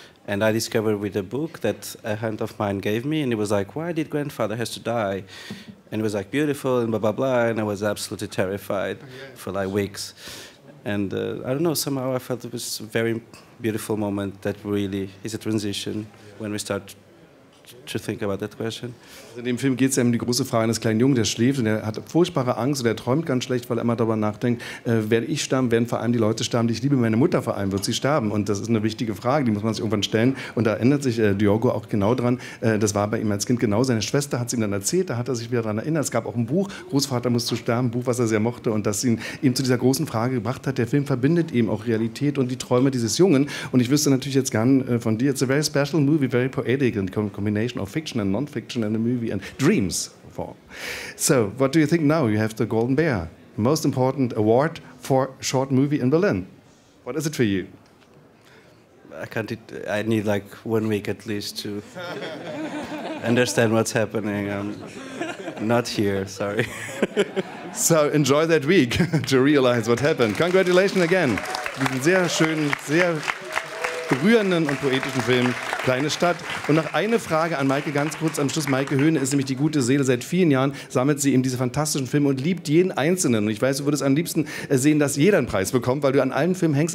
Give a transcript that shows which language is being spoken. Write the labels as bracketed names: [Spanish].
[English] And I discovered with a book that a hand of mine gave me, and it was like, why did grandfather have to die? And it was like, beautiful, and blah, blah, blah, and I was absolutely terrified for like weeks. And I don't know, somehow I felt it was a very beautiful moment that really is a transition when we start to think about that question. [German] In dem Film geht es ja um die große Frage eines kleinen Jungen, der schläft und der hat furchtbare Angst und der träumt ganz schlecht, weil er immer darüber nachdenkt, werde ich sterben, werden vor allem die Leute sterben, die ich liebe, meine Mutter vor allem, wird sie sterben? Und das ist eine wichtige Frage, die muss man sich irgendwann stellen. Und da erinnert sich Diogo auch genau dran. Das war bei ihm als Kind genau. Seine Schwester hat es ihm dann erzählt, da hat er sich wieder daran erinnert. Es gab auch ein Buch, Großvater muss zu sterben, ein Buch, was er sehr mochte und das ihn zu dieser großen Frage gebracht hat. Der Film verbindet eben auch Realität und die Träume dieses Jungen. Und ich wüsste natürlich jetzt gern von dir, [English] it's a very special movie, very poetic, in combination of fiction and non-fiction in the movie. And dreams for. So, what do you think now? You have the Golden Bear, most important award for short movie in Berlin. What is it for you? I need like 1 week at least to understand what's happening. I'm not here, sorry. So, enjoy that week to realize what happened. Congratulations again. [German] Diesen sehr schönen, sehr berührenden und poetischen Film. kleine Stadt. Und noch eine Frage an Maike ganz kurz am Schluss. Maike Höhne ist nämlich die gute Seele. Seit vielen Jahren sammelt sie eben diese fantastischen Filme und liebt jeden Einzelnen. Und ich weiß, du würdest am liebsten sehen, dass jeder einen Preis bekommt, weil du an allen Filmen hängst.